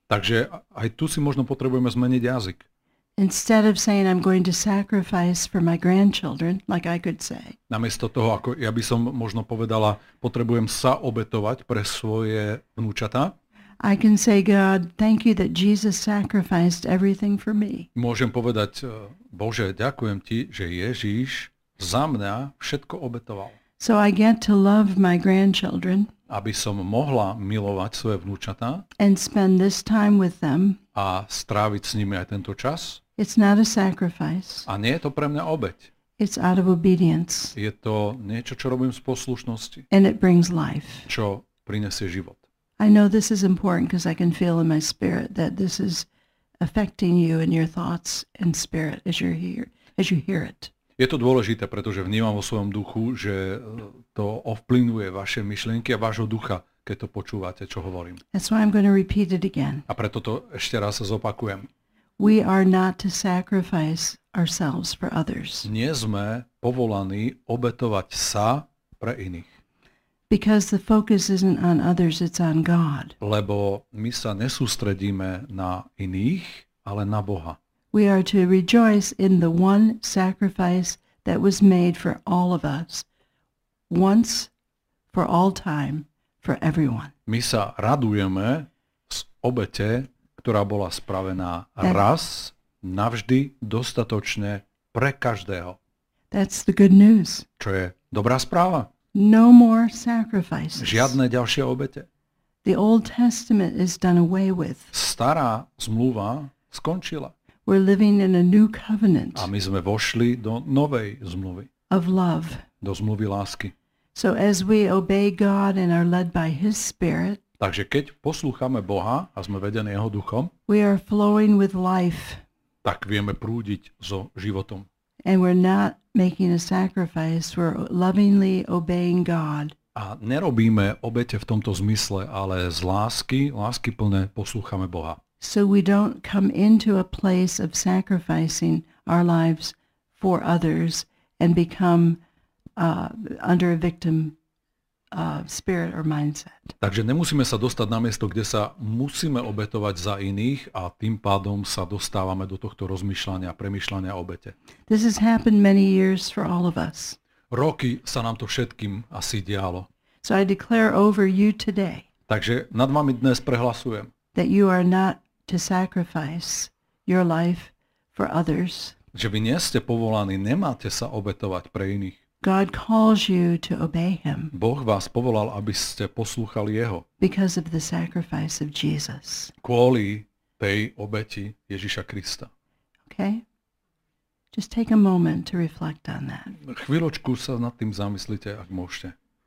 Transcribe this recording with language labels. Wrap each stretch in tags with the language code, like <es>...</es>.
<sk>Takže aj tu si možno potrebujeme zmeniť jazyk.</sk> <en>Instead of saying I'm going to sacrifice for my grandchildren, like I could say.</en> <sk>Namiesto toho, ako ja by som možno povedala, potrebujem sa obetovať pre svoje vnúčatá.</sk> <en>I can say God, thank you that Jesus sacrificed everything for me.</en> <sk>Môžem povedať, Bože, ďakujem ti, že Ježiš za mňa všetko obetoval.</sk> <en>So I get to love my grandchildren.</en> <sk>Aby som mohla milovať svoje vnúčatá.</sk> <en>And spend this time with them.</en> <sk>A stráviť s nimi aj tento čas.</sk> <en>It's not a sacrifice.</en> <sk>A nie je to pre mňa obeť.</sk> <en>It's out of obedience.</en> <sk>Je to niečo, čo robím z poslušnosti.</sk> <en>And it brings life.</en> <sk>Čo prinesie život.</sk> <en>I know this is important because I can feel in my spirit that this is affecting you and your thoughts and spirit as you're here, as you hear it.</en> <sk>Je to dôležité, pretože vnímam vo svojom duchu, že to ovplyvňuje vaše myšlienky a vášho ducha, keď to počúvate, čo hovorím.</sk> <en>That's why I'm going to repeat it again.</en> <sk>A preto to ešte raz zopakujem.</sk> <en>We are not to sacrifice ourselves for others.</en> <sk>Nie sme povolaní obetovať sa pre iných.</sk> <en>Because the focus isn't on others, it's on God.</en> <sk>Lebo my sa nesústredíme na iných, ale na Boha.</sk> <en>We are to rejoice in the one sacrifice that was made for all of us, once, for all time, for everyone.</en> <sk>My sa radujeme z obete, ktorá bola spravená</sk> <en>that,</en> <sk>raz, navždy, dostatočne, pre každého.</sk> <en>That's the good news.</en> <sk>Čo je dobrá správa?</sk> <en>No more sacrifices.</en> <sk>Žiadne ďalšie obete.</sk> <en>The Old Testament is done away with.</en> <sk>Stará zmluva skončila.</sk> <en>We're living in a new covenant.</en> <sk>A my sme vošli do novej zmluvy.</sk> <en>Of love.</en> <sk>Do zmluvy lásky.</sk> <en>So as we obey God and are led by His Spirit,</en> <sk>takže keď poslúchame Boha a sme vedení Jeho duchom,</sk> <en>we are flowing with life.</en> <sk>Tak vieme prúdiť so životom.</sk> <en>And we're not making a sacrifice, we're lovingly obeying God.</en> <sk>A nerobíme obete v tomto zmysle, ale z lásky, láskyplne poslúchame Boha.</sk> <en>So we don't come into a place of sacrificing our lives for others and become under a victim spirit or mindset.</en> <sk>Takže nemusíme sa dostať na miesto, kde sa musíme obetovať za iných a tým pádom sa dostávame do tohto rozmýšľania, premýšľania obete.</sk> <en>This has happened many years for all of us.</en> <sk>Roky sa nám to všetkým asi dialo.</sk> <en>So I declare over you today.</en> <sk>Takže nad vami dnes prehlasujem.</sk> <en>That you are not to sacrifice your life for others.</en> <sk>Že vy nie ste povolaní, nemáte sa obetovať pre iných.</sk> <en>God calls you to obey him.</en> <sk>Boh vás povolal, aby ste poslúchali jeho.</sk> <en>Because of the sacrifice of Jesus.</en> <sk>Kvôli tej obeti Ježiša Krista.</sk> <en>Okay? Just take a moment to reflect on that.</en> <sk>Chvíľočku sa nad tým zamyslite, ak môžete.</sk>